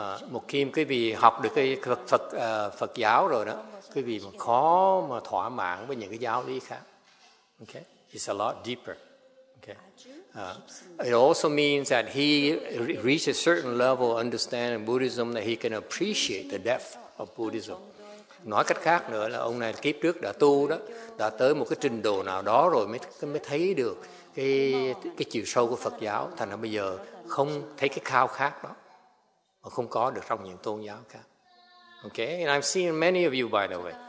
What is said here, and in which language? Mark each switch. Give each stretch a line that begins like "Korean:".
Vietnamese: Một khi quý vị học được cái Phật giáo rồi đó, quý vị khó mà thỏa mãn với những cái giáo lý khác.
English: Okay, it's a lot deeper. Okay, it also means that he reached a certain level of understanding Buddhism that he can appreciate the depth of Buddhism.
Vietnamese: Nói cách khác nữa là ông này kiếp trước đã tu đó, đã tới một cái trình độ nào đó rồi mới thấy được cái chiều sâu của Phật giáo, thành ra bây giờ không thấy cái khao khát đó mà không có được trong những tôn giáo khác.
English: Okay, and I've seen many of you by the way.